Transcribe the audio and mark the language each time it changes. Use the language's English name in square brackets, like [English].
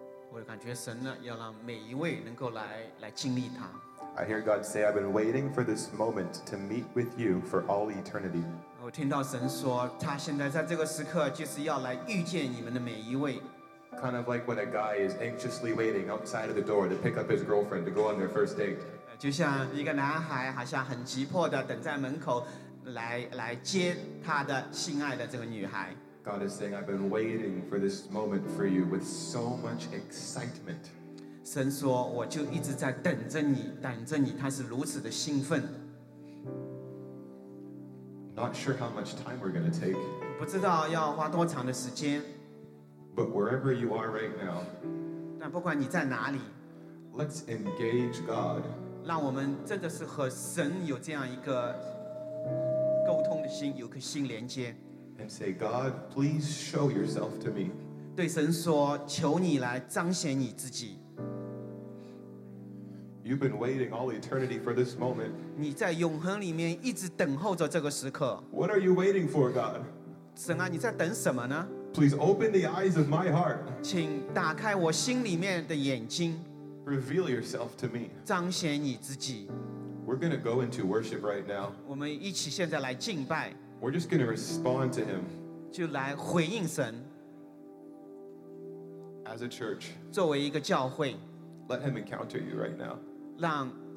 [Chinese] 我感觉神呢，要让每一位能够来经历他。 [English] I hear God say, I've been waiting for this moment to meet with you for all eternity. [Chinese] 我听到神说，他现在在这个时刻就是要来遇见你们的每一位。 [English] Kind of like when a guy is anxiously waiting outside of the door to pick up his girlfriend to go on their first date. [Chinese] 就像一个男孩好像很急迫地等在门口来接他的心爱的这个女孩。 [English] God is saying, I've been waiting for this moment for you with so much excitement. [Chinese] 神说，我就一直在等着你，等着你。他是如此的兴奋。 [English] Not sure how much time we're going to take. [Chinese] 不知道要花多长的时间。 [English] But wherever you are right now. [Chinese] 但不管你在哪里。 [English] Let's engage God. [Chinese] 让我们真的是和神有这样一个。有颗心连接 [English] and say, God, please show yourself to me. [Chinese] 对神说，求你来彰显你自己。 [English] You've been waiting all eternity for this moment. [Chinese] 你在永恒里面一直等候着这个时刻。 [English] What are you waiting for, God? [Chinese] 神啊，你在等什么呢？ [English] Please open the eyes of my heart. [Chinese] 请打开我心里面的眼睛。 [English] Reveal yourself to me. [Chinese] 彰显你自己。 [English] We're going to go into worship right now. We're just going to respond to him. As a church, let him encounter you right now.